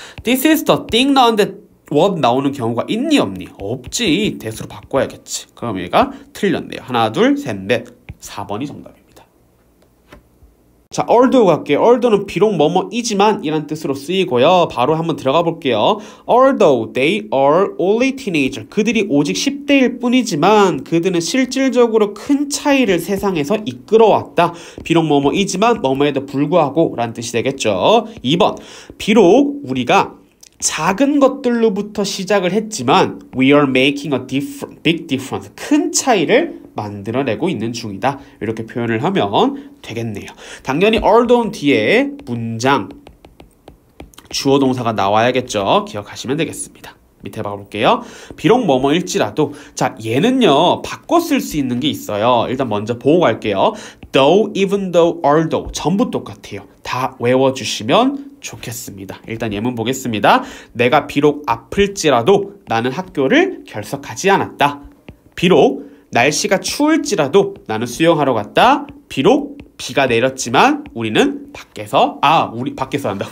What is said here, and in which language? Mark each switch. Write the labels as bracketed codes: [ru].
[en] This is the thing [ko] 나왔는데 what 나오는 경우가 있니 없니? 없지. that으로 바꿔야겠지. 그럼 얘가 틀렸네요. 하나, 둘, 셋, 넷. 4번이 정답입니다. 자, although 갈게요. although는 비록 뭐뭐이지만 이란 뜻으로 쓰이고요. 바로 한번 들어가 볼게요. [en] although they are only teenager. [ko] 그들이 오직 10대일 뿐이지만 그들은 실질적으로 큰 차이를 세상에서 이끌어왔다. 비록 뭐뭐이지만 뭐뭐에도 불구하고 라는 뜻이 되겠죠. 2번, 비록 우리가 작은 것들로부터 시작을 했지만 [en] we are making a different, big difference. [ko] 큰 차이를 만들어내고 있는 중이다. 이렇게 표현을 하면 되겠네요. 당연히 although 뒤에 문장 주어 동사가 나와야겠죠. 기억하시면 되겠습니다. 밑에 봐볼게요. 비록 뭐뭐일지라도. 자, 얘는요 바꿔 쓸 수 있는 게 있어요. 일단 먼저 보고 갈게요. though, even though, although 전부 똑같아요. 다 외워주시면 좋겠습니다. 일단 예문 보겠습니다. 내가 비록 아플지라도 나는 학교를 결석하지 않았다. 비록 날씨가 추울지라도 나는 수영하러 갔다. 비록 비가 내렸지만 우리는 밖에서, 아, 우리 밖에서 한다.